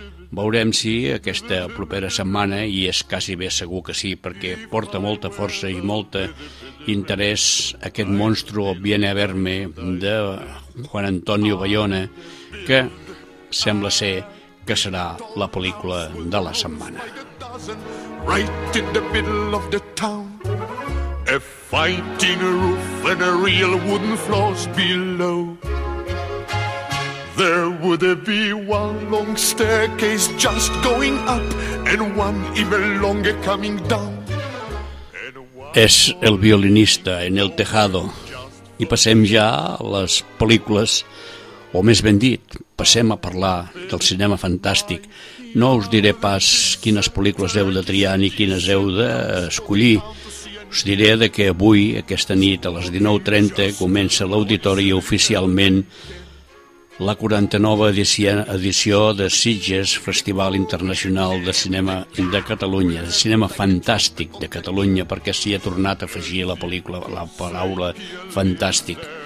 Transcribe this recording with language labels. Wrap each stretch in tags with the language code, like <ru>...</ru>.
<ca>Veurem si aquesta propera setmana, i és quasi bé segur que sí, perquè porta molta força i molt interès aquest monstruo viene a verme de Juan Antonio Bayona, que sembla ser que serà la pel·lícula de la setmana.</ca> <en>Right in the middle of the town, a fighting roof and a real wooden floors below. There would be one long staircase just going up and one even longer coming down.</en> <ca>És El violinista en el tejado. I passem ja a les pel·lícules, o més ben dit, passem a parlar del cinema fantàstic. No us diré pas quines pel·lícules heu de triar ni quines heu d'escollir. Us diré de que avui, aquesta nit, a les 19:30, comença l'auditori oficialment la 49a edició de Sitges, Festival Internacional de Cinema de Catalunya, de Cinema Fantàstic de Catalunya, perquè s'hi ha tornat a afegir la pel·lícula, la paraula fantàstic.</ca>